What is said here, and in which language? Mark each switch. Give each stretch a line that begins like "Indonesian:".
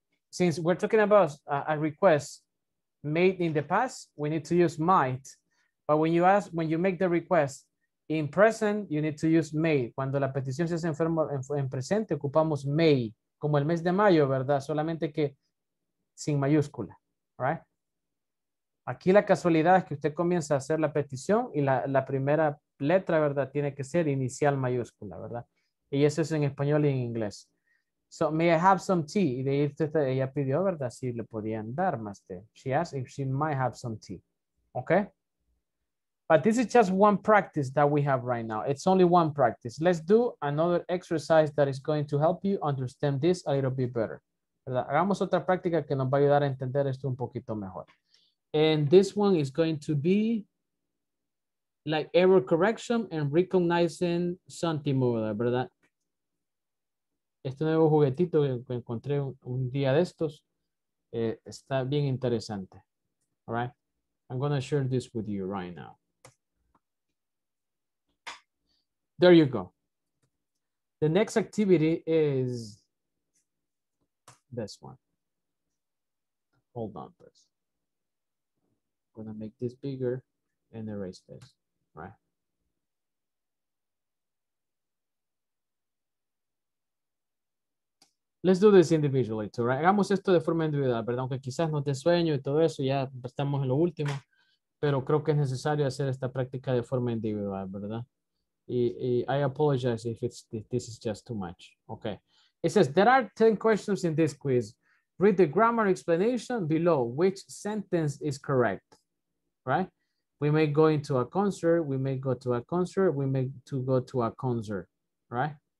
English: Since we're talking about a request made in the past, we need to use might. But when you make the request in present, you need to use may.
Spanish: Cuando la petición se hace en presente, ocupamos may. Como el mes de mayo, ¿verdad? Solamente que sin mayúscula, right? Aquí la casualidad es que usted comienza a hacer la petición y la primera letra, ¿verdad? Tiene que ser inicial mayúscula, ¿verdad? Y eso es en español y en inglés.
English: So, may I have some tea?
Spanish: Y de ahí usted, ella pidió, ¿verdad? Si le podían dar más té.
English: She asked if she might have some tea. Okay? But this is just one practice that we have right now. It's only one practice. Let's do another exercise that is going to help you understand this a little bit better.
Spanish: ¿Verdad? Hagamos otra práctica que nos va a ayudar a entender esto un poquito mejor.
English: And this one is going to be like error correction and recognizing something more,
Spanish: ¿verdad? Este nuevo juguetito que encontré un día de estos está bien interesante.
English: All right. I'm going to share this with you right now. There you go. The next activity is this one. Hold on, please. I'm going to make this bigger and erase this. Let's do this individually too, right?
Spanish: Hagamos esto de forma individual, ¿verdad? Aunque quizás no te sueño y todo eso, ya estamos en lo último, pero creo que es necesario hacer esta práctica de forma individual, ¿verdad?
English: Y I apologize if this is just too much. Okay. It says, there are 10 questions in this quiz. Read the grammar explanation below. Which sentence is correct, right? We may go into a concert, we may go to a concert, we may to go to a concert, right?